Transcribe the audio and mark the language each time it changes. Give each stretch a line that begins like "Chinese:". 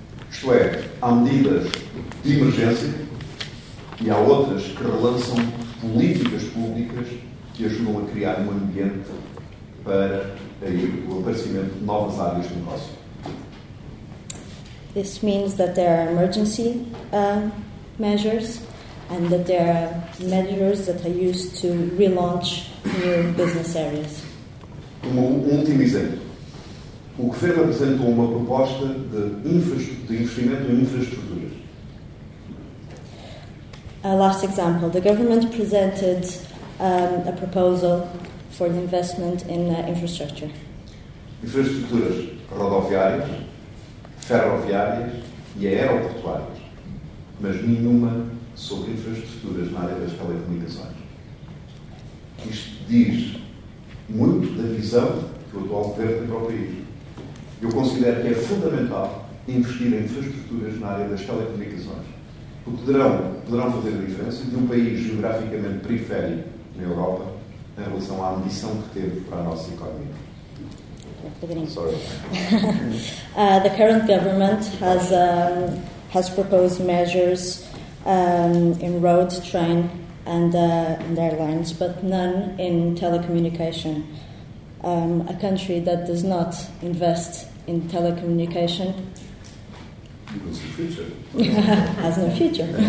Portuguese: Isto é, há medidas de emergência e há outras que relançam políticas públicas que ajudam a criar um ambiente para o aparecimento de novas áreas de negócio.
English: This means that there are emergency measures and that there are measures that are used to relaunch new business areas.
Portuguese: Um último exemplo. O governo apresentou uma proposta de investimento em infraestruturas.
English: A last example. The government presented a proposal for the investment in infrastructure.
Portuguese: Infraestruturas rodoviárias, ferroviárias e aeroportuárias, mas nenhuma sobre infraestruturas na área das telecomunicações. Isto diz muito da visão que o atual governo tem para o país. Eu considero que é fundamental investir em infraestruturas na área das telecomunicações, porque poderão fazer a diferença de um país geograficamente periférico na Europa em relação à ambição que teve para a nossa economia.
English: The current government has proposed measures in roads, train and airlines, but none in telecommunication. A country that does not invest in telecommunication has no future.